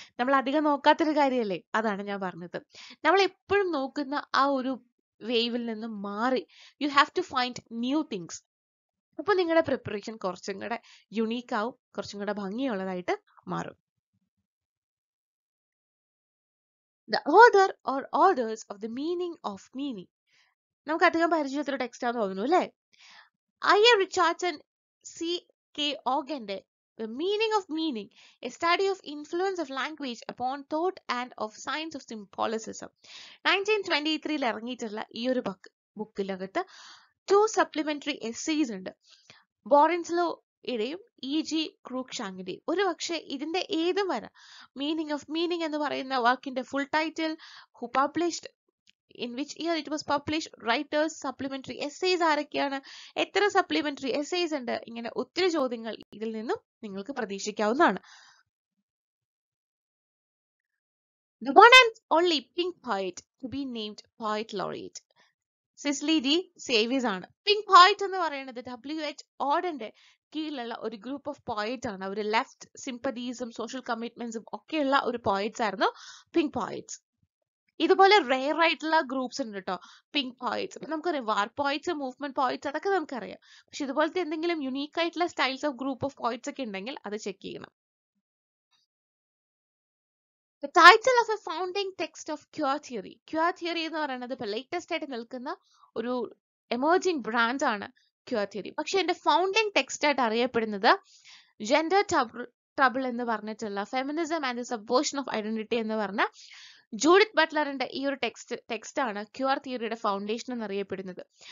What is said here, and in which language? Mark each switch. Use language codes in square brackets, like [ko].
[ml] നമ്മൾ അധികം നോക്കാത്തൊരു കാര്യമല്ലേ, അതാണ് ഞാൻ പറഞ്ഞത്. നമ്മൾ എപ്പോഴും നോക്കുന്ന ആ ഒരു വേവിൽ നിന്ന് മാറി [en] You have to find new things. [ml] അപ്പൊ നിങ്ങളുടെ പ്രിപ്പറേഷൻ കുറച്ചും കൂടെ യുണീക്ക് ആവും, കുറച്ചും കൂടെ ഭംഗിയുള്ളതായിട്ട് മാറും. [en] The order or orders of the meaning of meaning. [ml] നമുക്ക് അധികം പരിചയത്തിലെ ടെക്സ്റ്റ് ആണെന്ന് തോന്നുന്നു അല്ലേ. [en] I A Richardson C K ഓഗന്റെ The meaning of meaning, a study of influence of language upon thought and of science of symbolicism. [ml] 1923 ഇറങ്ങിയിട്ടുള്ള ഈ ഒരു ബുക്കിലകത്ത് to supplementary essays ഉണ്ട്, ബോറിൻസ്ലോ ഇടയും E G ക്രൂക്ഷാങ്ങിന്റെയും. ഒരു പക്ഷേ ഇതിന്റെ ഏതും വരാം. മീനിങ് ഓഫ് മീനിങ് എന്ന് പറയുന്ന വാക്കിന്റെ full title, [en] who published, in which year it was published, [ml] writers, supplementary essays ആരൊക്കെയാണ്, എത്ര സപ്ലിമെന്ററി എസ്സേസ് ഉണ്ട്, ഇങ്ങനെ ഒത്തിരി ചോദ്യങ്ങൾ ഇതിൽ നിന്നും നിങ്ങൾക്ക് പ്രതീക്ഷിക്കാവുന്നതാണ്. [en] The one and only pink poet to be named poet laureate Cecil Day Lewis ആണ്. [ml] പിങ്ക് പോയറ്റ് എന്ന് പറയുന്നത് ഡബ്ല്യു എച്ച് ഓർഡന്റെ കീഴിലുള്ള ഒരു ഗ്രൂപ്പ് ഓഫ് പോയറ്റ് ആണ്. അവർ ലെഫ്റ്റ് സിംപതീസും സോഷ്യൽ കമ്മിറ്റ്മെന്റ്സും ഒക്കെയുള്ള ഒരു പോയറ്റ്സ് ആയിരുന്നു പിങ്ക് പോയറ്റ്സ്. ഇതുപോലെ റെയർ ആയിട്ടുള്ള ഗ്രൂപ്പ്സ് ഉണ്ട് കേട്ടോ പിങ്ക് പോയറ്റ്സ്. അപ്പൊ നമുക്കറിയാം വാർ പോയറ്റ്സ്, മൂവ്മെന്റ് പോയറ്റ്സ് അതൊക്കെ നമുക്കറിയാം. പക്ഷെ ഇതുപോലത്തെ എന്തെങ്കിലും യുണീക്ക് ആയിട്ടുള്ള styles of group of poets ഒക്കെ ഉണ്ടെങ്കിൽ അത് ചെക്ക് ചെയ്യണം. [en] The title of a founding text of queer theory. [ml] Queer theory എന്ന് പറയുന്നത് ഇപ്പൊ ലേറ്റസ്റ്റ് ആയിട്ട് നിൽക്കുന്ന ഒരു എമേർജിംഗ് ബ്രാഞ്ച് ആണ് ക്യൂർ തിയറി. പക്ഷെ എന്റെ ഫൗണ്ടിങ് ടെക്സ്റ്റ് ആയിട്ട് അറിയപ്പെടുന്നത് ജെൻഡർ ട്രബിൾ എന്ന് പറഞ്ഞിട്ടുള്ള, feminism and the subversion of identity എന്ന് പറഞ്ഞ ജൂഡിത് ബട്ട്ലറിന്റെ ഈ ഒരു ടെക്സ്റ്റ് ആണ് ക്യൂർ തിയറിയുടെ ഫൗണ്ടേഷൻ എന്നറിയപ്പെടുന്നത്.